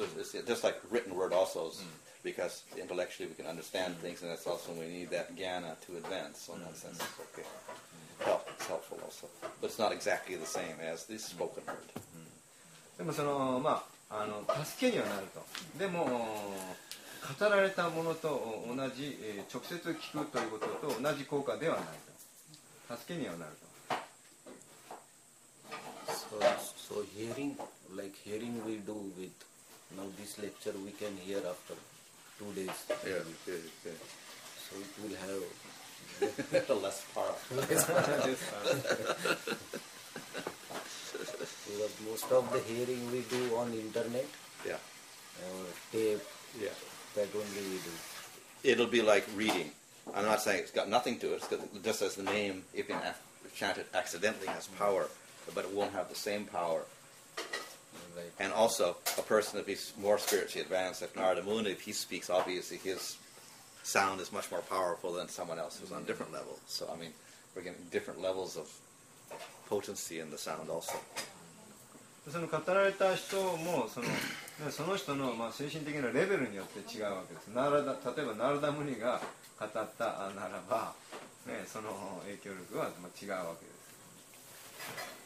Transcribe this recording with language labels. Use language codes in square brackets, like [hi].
[en] It's just like written word also, is because intellectually we can understand things, and that's also we need that jnana to advance. So in that sense, it's okay. Help. It's helpful also, but it's not exactly the same as the spoken word. [ja] でもそのまあ助けにはなると。でも。語られたものと同じ、直接聞くということと同じ効果ではないと。助けにはなると。 [en] So, So hearing, like hearing we do with, now this lecture we can hear after 2 days. Yeah. So it will have less power. Because most of the hearing we do on internet. Yeah. Tape. Yeah. That only we do. It'll be like reading. I'm not saying it's got nothing to it. It's got, just as the name, if in chanted accidentally, has power, but it won't have the same power. Right. And also, a person, if he's more spiritually advanced, like Narada Muni, if he speaks, obviously his sound is much more powerful than someone else who's on a different level. So, I mean, we're getting different levels of potency in the sound also. [ja] その語られた人もその、ね、その人のまあ精神的なレベルによって違うわけです。例えばナラダムニが語ったならば、ね、その影響力はまあ違うわけです。